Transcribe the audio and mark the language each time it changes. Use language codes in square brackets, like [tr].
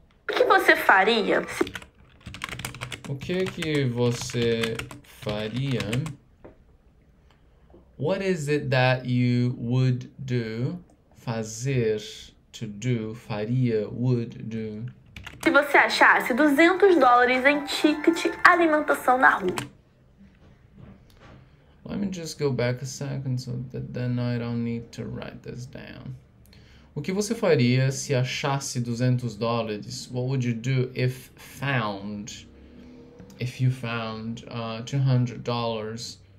[pt] O que você faria? O que que você faria? [en] What is it that you would do, fazer, to do, faria, would do? [pt] Se você achasse $200 em ticket alimentação na rua. [en] Let me just go back a second so that then I don't need to write this down. [pt] O que você faria se achasse $200? [en] What would you do if found, if you found $200?